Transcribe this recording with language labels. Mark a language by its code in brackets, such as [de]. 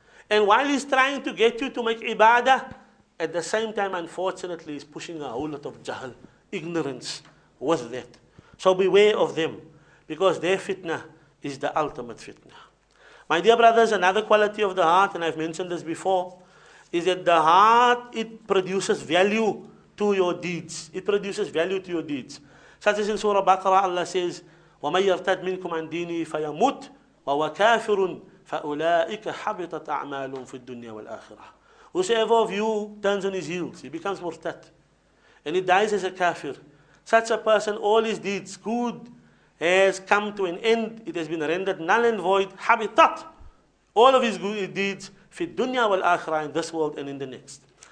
[en] And while he's trying to get you to make ibadah, at the same time, unfortunately, he's pushing a whole lot of jahl, ignorance, with that. So beware of them, because their fitna is the ultimate fitna. My dear brothers, another quality of the heart, and I've mentioned this before, is that the heart, it produces value to your deeds. It produces value to your deeds. Such as in Surah Baqarah, Allah says, [ar] وَمَنْ يَرْتَدْ مِنْكُمْ عَنْ دِينِهِ فَيَمُتْ وَهُوَ كَافِرٌ فَأُولَٰئِكَ حَبِطَتْ أَعْمَالُهُمْ فِي الدُّنْيَا وَالْآخِرَةِ. [en] Whosoever of you turns on his heels, he becomes murtad. And he dies as a kafir. Such a person, all his deeds, good, has come to an end. It has been rendered null and void. Habitat. All of his good deeds, [ar] fi dunya wal akhirah, [en] in this world and in the next.